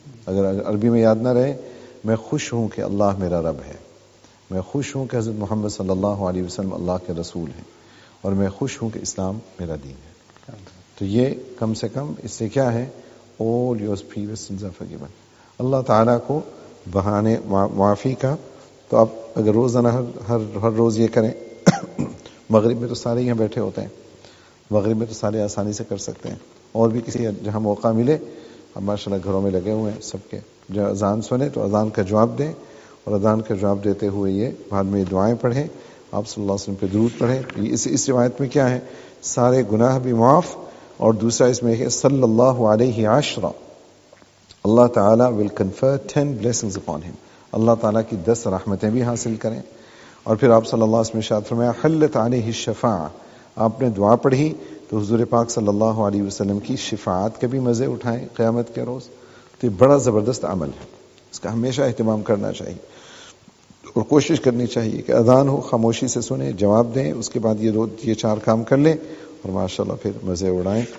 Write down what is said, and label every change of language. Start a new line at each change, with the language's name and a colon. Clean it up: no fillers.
Urdu: اگر عربی میں یاد نہ رہے, میں خوش ہوں کہ اللہ میرا رب ہے, میں خوش ہوں کہ حضرت محمد صلی اللہ علیہ وسلم اللہ کے رسول ہیں, اور میں خوش ہوں کہ اسلام میرا دین ہے. تو یہ کم سے کم اس سے کیا ہے,
English: all your previous sins are forgiven.
Urdu: اللہ تعالیٰ کو بہانے معافی کا. تو آپ اگر روزانہ ہر روز یہ کریں, مغرب میں تو سارے یہاں بیٹھے ہوتے ہیں, مغرب میں تو سارے آسانی سے کر سکتے ہیں, اور بھی کسی جہاں موقع ملے, اب ماشاء اللہ گھروں میں لگے ہوئے ہیں سب کے, جب اذان سنیں تو اذان کا جواب دیں, اور اذان کا جواب دیتے ہوئے یہ بعد میں یہ دعائیں پڑھیں, آپ صلی اللہ علیہ وسلم پہ درود پڑھیں. اس روایت میں کیا ہے, سارے گناہ بھی معاف, اور دوسرا اس میں ہے
Arabic: صلی اللہ علیہ عشرہ,
Urdu: اللہ تعالیٰ
English: will confer 10 blessings upon him,
Urdu: اللہ تعالیٰ کی 10 رحمتیں بھی حاصل کریں. اور پھر آپ صلی اللہ علیہ وسلم ارشاد فرمایا
Arabic: حلت علیہ الشفاعہ,
Urdu: آپ نے دعا پڑھی تو حضور پاک صلی اللہ علیہ وسلم کی شفاعت کے بھی مزے اٹھائیں قیامت کے روز. تو یہ بڑا زبردست عمل ہے, اس کا ہمیشہ اہتمام کرنا چاہیے اور کوشش کرنی چاہیے کہ اذان ہو, خاموشی سے سنیں, جواب دیں, اس کے بعد یہ چار کام کر لیں, اور ماشاءاللہ پھر مزے اڑائیں.